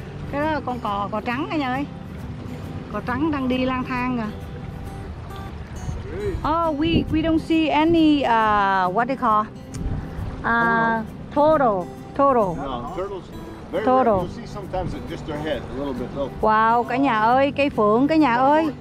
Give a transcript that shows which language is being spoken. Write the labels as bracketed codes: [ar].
[vi] Cái đó là con cò trắng anh ơi. Cò trắng đang đi lang thang à. [en] Oh, we don't see any what they call turtle. No, turtles. Very you see sometimes it just their head a little bit though. [vi] Wow, cả nhà ơi, cây phượng cả nhà ơi.